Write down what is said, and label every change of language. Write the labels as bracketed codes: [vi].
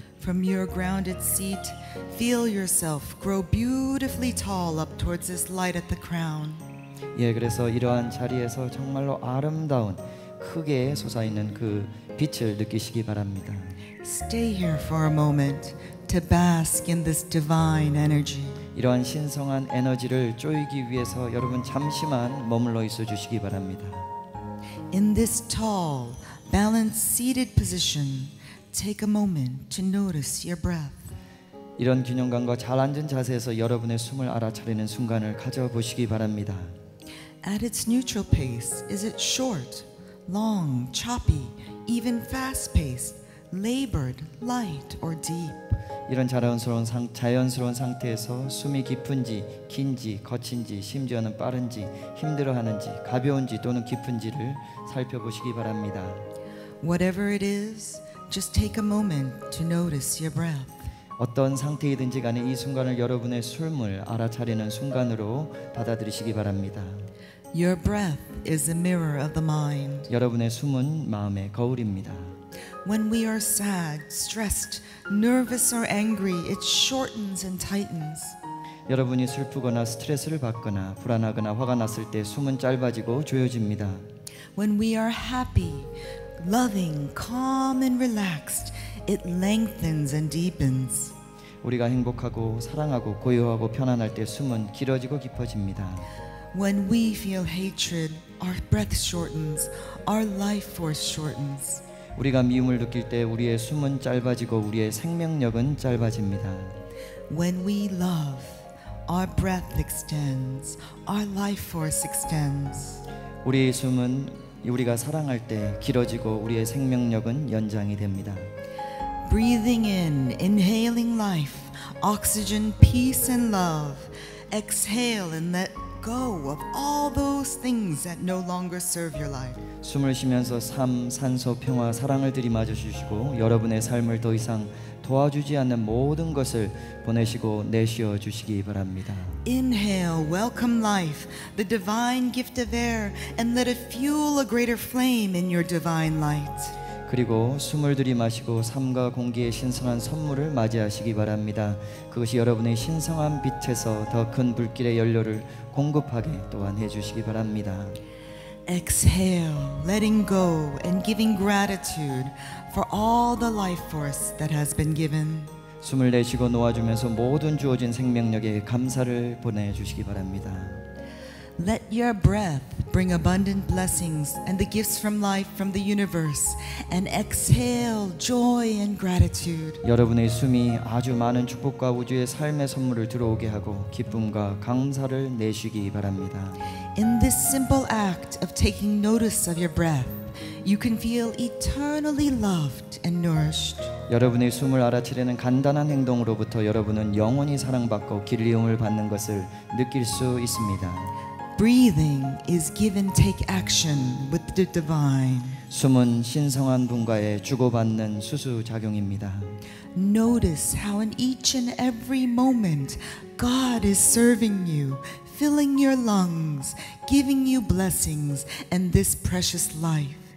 [en] From your grounded seat, feel yourself grow beautifully tall up towards this light at the crown. [ko] 예, 그래서 이러한 자리에서 정말로 아름다운 크게 솟아있는 그 빛을 느끼시기 바랍니다. [en] Stay here for a moment. To bask in this divine energy. [ko] 이러한 신성한 에너지를 쪼이기 위해서 여러분 잠시만 머물러 있어 주시기 바랍니다. [en] In this tall, balanced seated position, take a moment to notice your breath. [ko] 이런 균형감과 잘 앉은 자세에서 여러분의 숨을 알아차리는 순간을 가져보시기 바랍니다. [en] At its neutral pace, is it short, long, choppy, even fast-paced, labored, light, or deep? [ko] 이런 자연스러운 상태에서 숨이 깊은지 긴지 거친지 심지어는 빠른지 힘들어하는지 가벼운지 또는 깊은지를 살펴보시기 바랍니다. [en] Whatever it is, just take a moment to notice your breath. [ko] 어떤 상태이든지 간에 이 순간을 여러분의 숨을 알아차리는 순간으로 받아들이시기 바랍니다. [en] Your breath is a mirror of the mind. [ko] 여러분의 숨은 마음의 거울입니다. [en] When we are sad, stressed, nervous or angry, it shortens and tightens. [ko] 여러분이 슬프거나 스트레스를 받거나 불안하거나 화가 났을 때 숨은 짧아지고 조여집니다. [en] When we are happy, loving, calm and relaxed, it lengthens and deepens. [ko] 우리가 행복하고 사랑하고 고요하고 편안할 때 숨은 길어지고 깊어집니다. [en] When we feel hatred, our breath shortens, our life force shortens. [ko] 우리가 미움을 느낄 때 우리의 숨은 짧아지고 우리의 생명력은 짧아집니다. [en] When we love, our breath extends, our life force extends. [ko] 우리의 숨은 우리가 사랑할 때 길어지고 우리의 생명력은 연장이 됩니다. [en] Breathing in, inhaling life, oxygen, peace and love. Exhale and let go of all those things that no longer serve your life. [ko] 숨을 쉬면서 삶, 산소, 평화, 사랑을 들이마셔 주시고 여러분의 삶을 더 이상 도와주지 않는 모든 것을 보내시고 내쉬어 주시기 바랍니다. [en] Inhale, welcome life, the divine gift of air, and let it fuel a greater flame in your divine light. [ko] 그리고 숨을 들이마시고 삶과 공기의 신성한 선물을 맞이하시기 바랍니다. 그것이 여러분의 신성한 빛에서 더 큰 불길의 연료를 공급하게 또한 해주시기 바랍니다. [en] Exhale, letting go and giving gratitude for all the life force that has been given. [ko] 숨을 내쉬고 놓아주면서 모든 주어진 생명력에 감사를 보내주시기 바랍니다. [en] Let your breath bring abundant blessings and the gifts from life from the universe and exhale joy and gratitude. [ko] 여러분의 숨이 아주 많은 축복과 우주의 삶의 선물을 들어오게 하고 기쁨과 감사를 내쉬기 바랍니다. [en] In this simple act of taking notice of your breath, you can feel eternally loved and nourished. [ko] 여러분의 숨을 알아채려는 간단한 행동으로부터 여러분은 영원히 사랑받고 기리움을 받는 것을 느낄 수 있습니다. [en] Breathing is give and take action with the divine. [ko] 숨은 신성한 분과의 주고받는 수수 작용입니다. [en] Notice how in each and every moment God is serving you, filling your lungs, giving you blessings and this precious life.